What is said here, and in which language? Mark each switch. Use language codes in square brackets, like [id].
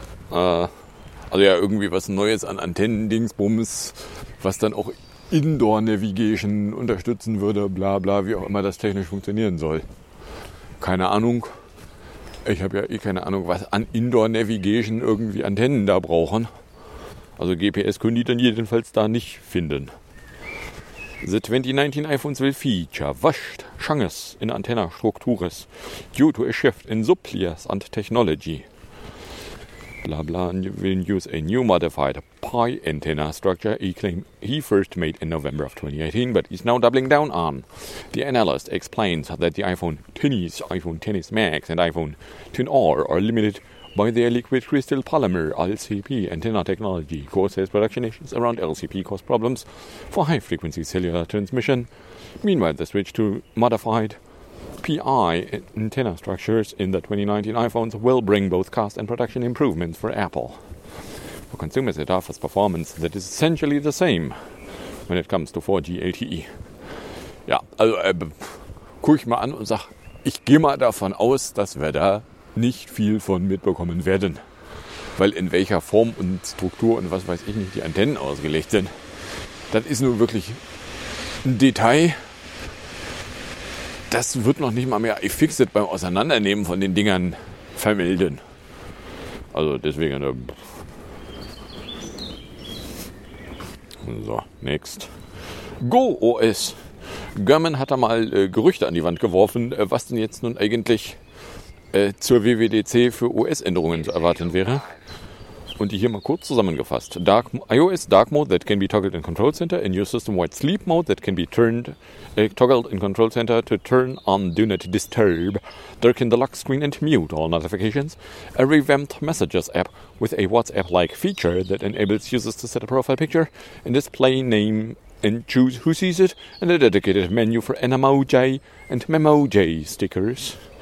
[de] Also ja, irgendwie was Neues an Antennendingsbums, was dann auch Indoor Navigation unterstützen würde, bla bla, wie auch immer das technisch funktionieren soll. Keine Ahnung. Ich habe ja eh keine Ahnung, was an Indoor Navigation irgendwie Antennen da brauchen. Also GPS können die dann jedenfalls da nicht finden. [en] The 2019 iPhones will feature washed chunks in antenna structures due to a shift in suppliers and technology. Blabla will use a new modified Pi antenna structure he claimed he first made in November of 2018, but is now doubling down on. The analyst explains that the iPhone XS Max and iPhone XR are limited by their liquid crystal polymer LCP antenna technology, causes production issues around LCP cause problems for high frequency cellular transmission. Meanwhile, the switch to modified PI antenna structures in the 2019 iPhones will bring both cost and production improvements for Apple. For consumers, it offers performance that is essentially the same when it comes to 4G LTE. [de] Ja, also guck ich mal an und sag, ich gehe mal davon aus, dass wir da nicht viel von mitbekommen werden. Weil in welcher Form und Struktur und was weiß ich nicht, die Antennen ausgelegt sind. Das ist nur wirklich ein Detail. Das wird noch nicht mal mehr iFixit beim Auseinandernehmen von den Dingern vermelden. Also deswegen. So, next. GoOS. German hat da mal Gerüchte an die Wand geworfen, was denn jetzt nun eigentlich zur WWDC für OS-Änderungen zu erwarten wäre. Und die hier mal kurz zusammengefasst. [en] iOS Dark Mode that can be toggled in Control Center, a new system-wide Sleep Mode that can be toggled in Control Center to turn on Do Not Disturb, darken the lock screen and mute all notifications, a revamped Messages app with a WhatsApp-like feature that enables users to set a profile picture and display name and choose who sees it, and a dedicated menu for Emoji and Memoji stickers.